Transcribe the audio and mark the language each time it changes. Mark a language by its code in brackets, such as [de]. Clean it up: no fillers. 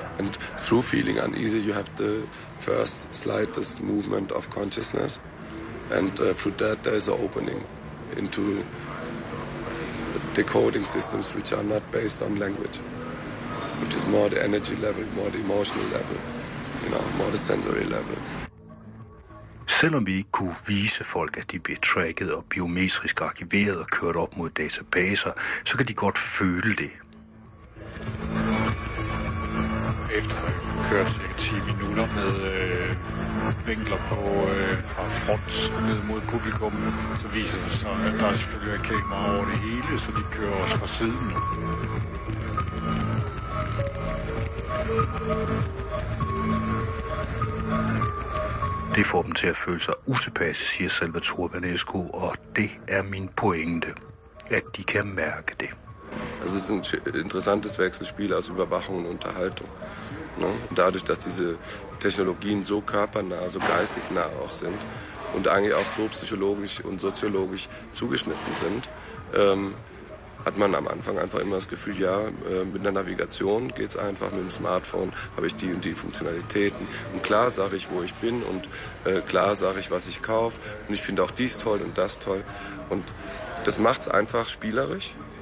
[en] And through feeling uneasy, you have the first slightest movement of consciousness. And through that, there is an opening into decoding systems which are not based on language, which is more the energy level, more the emotional level. [da] Selvom vi ikke kunne vise folk, at de blev tracket og biometrisk arkiveret og kørt op mod databaser, så kan de godt føle det. Efter at have kørt cirka 10 minutter med vinkler på fra front ned mod publikum, så viser det sig, at der selvfølgelig er kamera over det hele, så de kører også fra siden. Det får dem til at føle sig utilpasset, siger Salvatore Vanesco, og det er min pointe, at de kan mærke det. Altså, det er et interessant vekselspil, altså overvågning og underholdning. No? [de] Dadurch, [da] at disse [de] teknologier så körpernah, så geistig nah auch sind und eigentlich auch so psychologisch und soziologisch zugeschnitten sind, hat man am Anfang einfach immer das Gefühl, ja, mit der Navigation geht's einfach, mit dem Smartphone habe ich die und die Funktionalitäten und klar sage ich, wo ich bin und klar sage ich, was ich kaufe und ich finde auch dies toll und das toll und das macht's einfach spielerisch,